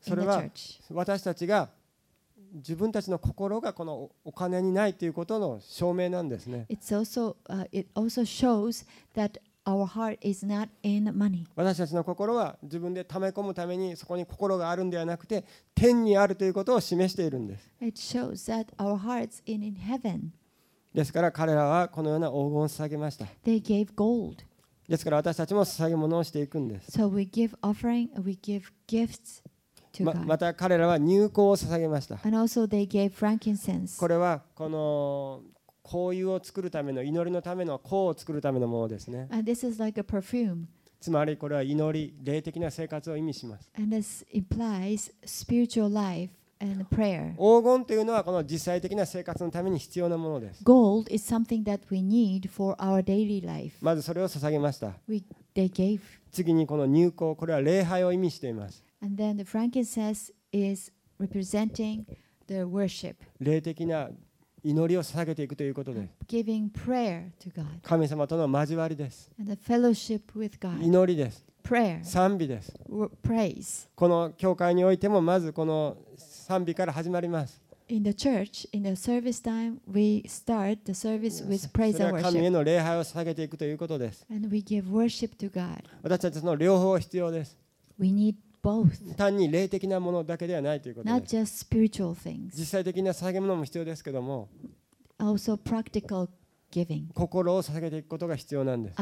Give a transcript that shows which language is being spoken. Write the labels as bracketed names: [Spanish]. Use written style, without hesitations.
[Japanese] それは私たちが自分たちの心がこのお金にないということの証明なんですね。 [English] It's also, it also shows that our heart is not in money. [Japanese] 私たちの心は自分で貯め込むためにそこに心があるんではなくて天にあるということを示しているんです。 [English] It shows that our heart's in heaven. [Japanese] ですから彼らはこのような黄金を捧げました。 [English] They gave gold. [Japanese] ですから私たちも捧げ物をしていくんです。 [English] So we give offering, we give gifts to God. [Japanese] また彼らは乳香を捧げました。 [English] And also they gave frankincense. [Japanese] これはこの香油を作るための祈りのための香を作るためのものですね。 [English] And this is like a perfume. [Japanese] つまりこれは祈り、霊的な生活を意味します。 [English] And this implies spiritual life. And prayer. [Japanese] 黄金というのはこの実際的な生活のために必要なものです。 [English] Gold is something that we need for our daily life. [Japanese] まずそれを捧げました。 [English] They gave. [Japanese] 次にこの乳香、これは礼拝を意味しています。 [English] And then the frankincense is representing the worship. [Japanese] 霊的な祈りを捧げていくということです。 [English] Giving prayer to God. [Japanese] 神様との交わりです。 [English] And the fellowship with God. [Japanese] 祈りです。 [English] Prayer. [Japanese] 賛美です。 [English] Praise. [Japanese] この教会においてもまずこの賛美から始まります。 [English] In the church, in the service time, we start the service with praise and worship. [Japanese] 神への礼拝を捧げていくということです。 [English] And we give worship to God. [Japanese] 私たちはその両方必要です。 [English] We need both. [Japanese] 単に霊的なものだけではないということです。 [English] Not just spiritual things. [Japanese] 実際的な捧げ物も必要ですけども。 [English] Also practical giving. [Japanese] 心を捧げていくことが必要なんです。